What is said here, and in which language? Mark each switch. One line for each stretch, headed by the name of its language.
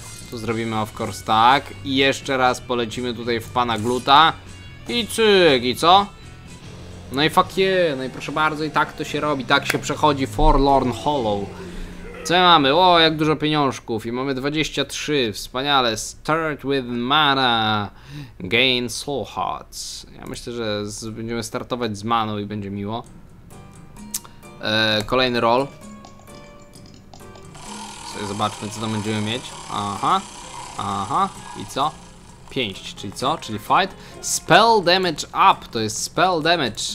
Polish: Tu zrobimy
English: of course
Polish: tak. I jeszcze raz polecimy tutaj w pana gluta. I cyk, i co? No i
English: fuck yeah,
Polish: no i proszę bardzo, i tak to się robi, tak się przechodzi Forlorn Hollow. Co mamy? O, jak dużo pieniążków. I mamy 23, wspaniale.
English: Start with mana, gain soul hearts.
Polish: Ja myślę, że będziemy startować z maną i będzie miło. Kolejny roll. Sobie zobaczmy, co tam będziemy mieć. Aha, aha, i co? 5, czyli co? Czyli fight.
English: Spell damage up,
Polish: to jest spell damage.